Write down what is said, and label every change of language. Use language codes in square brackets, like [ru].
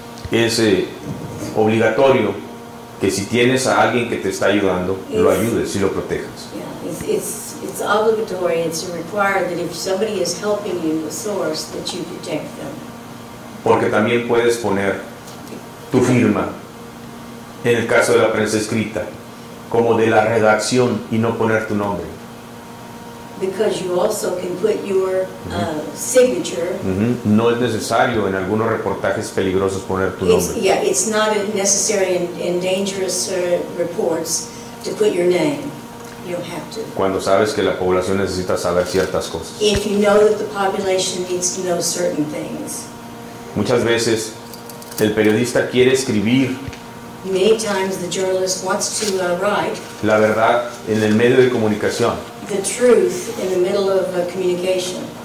[es] Es obligatorio que si tienes a alguien que te está ayudando, lo ayudes y lo protejas. [en] It's obligatory, it's required that if somebody is helping you, a source, that you protect them. [es] Porque también puedes poner tu firma, en el caso de la prensa escrita, como de la redacción y no poner tu nombre. [en] Because you also can put your signature. Mm-hmm. [es] No es necesario en algunos reportajes peligrosos poner tu nombre. [en] Yeah, it's not necessary in dangerous reports to put your name. You don't have to. [es] Cuando sabes que la población necesita saber ciertas cosas. [en] If you know that the population needs to know certain things. [es] Muchas veces el periodista quiere escribir. [en] Many times the journalist wants to write. [es] La verdad en el medio de comunicación. [en] The truth in the middle of a communication.